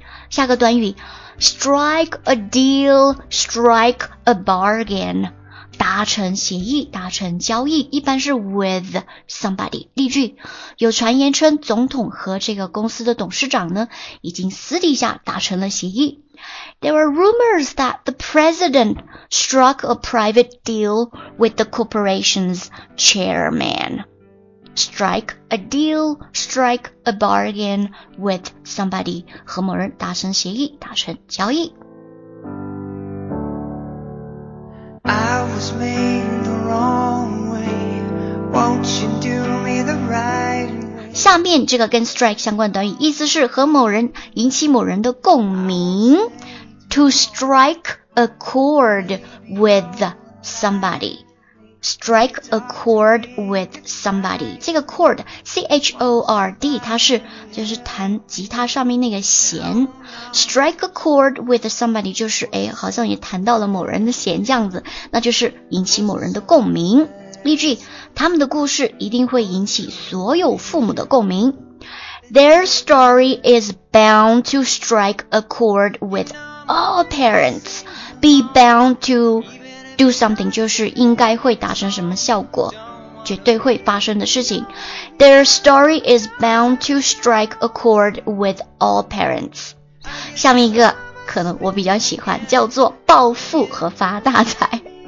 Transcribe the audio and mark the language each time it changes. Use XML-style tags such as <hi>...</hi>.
<en>下个短语strike a deal, strike a bargain,</en> <zh>达成协议，达成交易，一般是</zh> <en>with somebody.</en> <zh>例句，有传言称总统和这个公司的董事长呢，已经私底下达成了协议。</zh> <en>There were rumors that the president struck a private deal with the corporation's chairman. Strike a deal, strike a bargain with somebody,</en> <zh>和某人达成协议，达成交易。</zh> <en>I was made the wrong way, won't you do me the right way?</en> <zh>下面这个跟 strike 相关短语，意思是和某人引起某人的共鸣。</zh> <en>To strike a chord with somebody. Strike a chord with somebody.</en> <zh>这个 chord, C-H-O-R-D, 它是就是弹吉他上面那个弦。</zh> <en>Strike a chord with somebody</en> <zh>就是好像也弹到了某人的弦这样子，那就是引起某人的共鸣。例句，他们的故事一定会引起所有父母的共鸣。</zh> <en>Their story is bound to strike a chord with all parents. Be bound to... Do something</en> <zh>就是应该会达成什么效果，绝对会发生的事情。</zh> <en>Their story is bound to strike a chord with all parents.</en> <zh>下面一个可能我比较喜欢，叫做暴富和发大财。</zh>